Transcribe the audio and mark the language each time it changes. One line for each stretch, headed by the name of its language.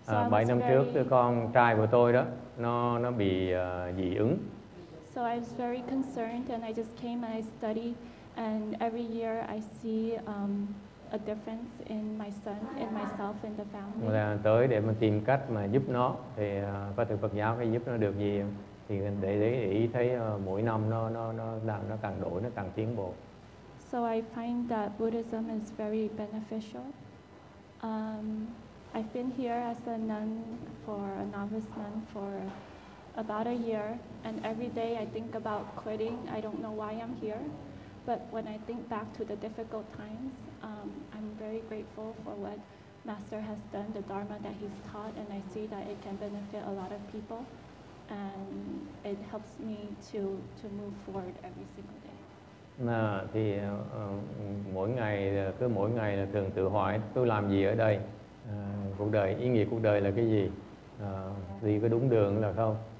Vietnamese: Bảy năm trước, đứa con trai của tôi đó, nó bị dị ứng.
English: So I was very concerned, and I just came and I studied. And every year, I see a difference in my son, in myself, in the family.
Vietnamese: Là tới để mà tìm cách mà giúp nó, thì có từ Phật giáo cái giúp nó được gì? Thì để ý thấy mỗi năm nó càng đổi, nó càng tiến bộ.
English: So I find that Buddhism is very beneficial. I've been here as a novice nun for about a year, and every day I think about quitting. I don't know why I'm here, but when I think back to the difficult times, I'm very grateful for what Master has done, the Dharma that he's taught, and I see that it can benefit a lot of people, and it helps me to move forward every single day.
Vietnamese: Thì mỗi ngày là thường tự hỏi tôi làm gì ở đây, cuộc đời, ý nghĩa cuộc đời là cái gì, đi có đúng đường là không.